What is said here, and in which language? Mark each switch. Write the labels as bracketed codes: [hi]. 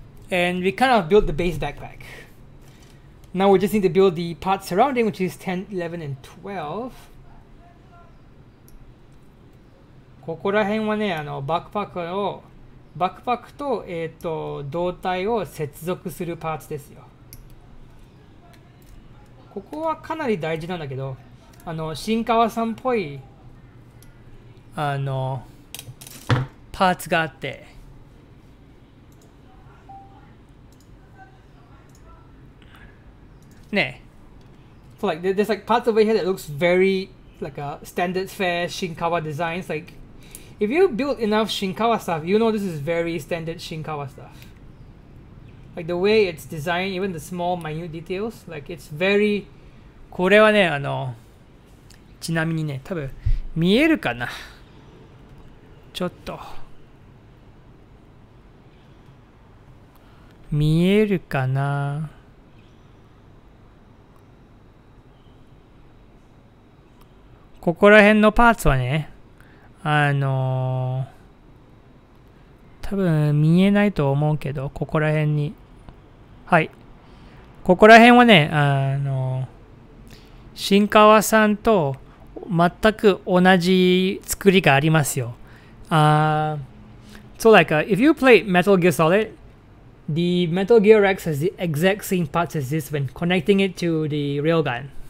[en] And we kind of built the base backpack. Now we just need to build the parts surrounding, which is 10, 11, and 12. [ja] ここら辺はね、バックパックと、胴体を接続するパーツですよ。ここはかなり大事なんだけど、新川さんっぽい、パーツがあって。 [en] ね。So, like, there's like parts over here that looks very like a standard fare Shinkawa designs. Like, if you build enough Shinkawa stuff, you know this is very standard Shinkawa stuff. Like, the way it's designed, even the small minute details, like, it's very... [ja] これはね、ちなみにね、多分見えるかな。ちょっと見えるかな。ここら辺のパーツはね、多分見えないと思うけど、ここら辺に、はい、ここら辺はね、新川さんと全く同じ作りがありますよ。 [en] So like, if you play Metal Gear Solid, the Metal Gear Rex has the exact same parts as this when connecting it to the railgun.